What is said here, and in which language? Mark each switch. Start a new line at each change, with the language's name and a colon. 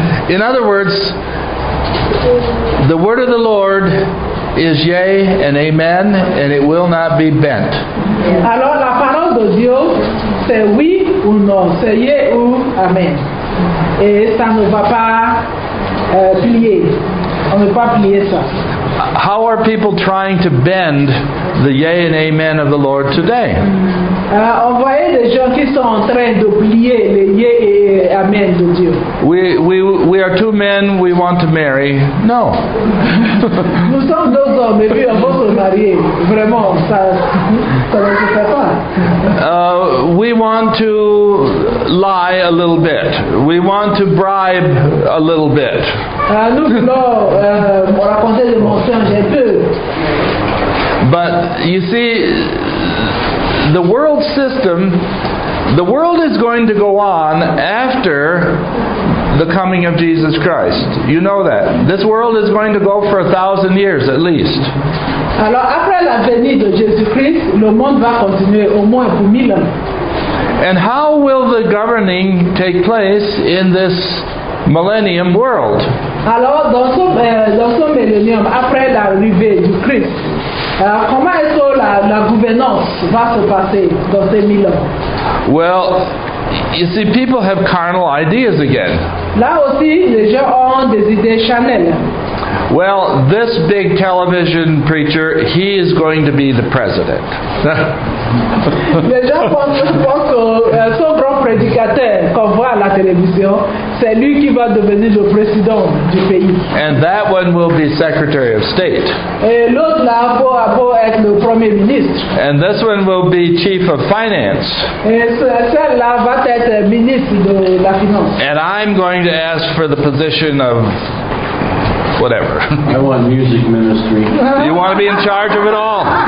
English: In other words, the word of the Lord is yea and amen, and it will not be bent.
French: Alors la parole de Dieu c'est oui ou non, c'est yea ou amen, et ça ne va pas plier. On ne peut pas plier ça.
English: How are people trying to bend the yea and amen of the Lord today?
French: On voyait des gens qui sont en train de plier le yea et amen de Dieu.
English: We are two men, we want to marry. No.
French: Nous sommes deux hommes et puis on veut se marier. Vraiment, ça ne se fait pas.
English: We want to lie a little bit. We want to bribe a little bit.
French: Nous voulons raconter des mensonges un peu.
English: But you see, the world system, the world is going to go on after the coming of Jesus Christ. You know that. This world is going to go for 1,000 years at least.
French: Alors après l'avènement de Jésus-Christ, le monde va continuer au moins pour 1,000 ans.
English: And how will the governing take place in this millennium world?
French: Alors dans ce millénium après l'arrivée du Christ, comment est-ce que la gouvernance va se passer dans ces 1,000 ans?
English: Well, you see, people have carnal ideas again.
French: Là aussi, les gens ont des idées charnelles.
English: Well, this big television preacher, he is going to be the president.
French: Les gens pensent que ce grand prédicateur qu'on voit à la télévision, c'est lui qui va devenir le président du pays.
English: And that one will be Secretary of State.
French: Et l'autre là va être le Premier ministre.
English: And this one will be Chief of Finance.
French: Et celle-là va être ministre de la Finance.
English: And I'm going to ask for the position of whatever. I want music ministry. You want to be in charge of it all?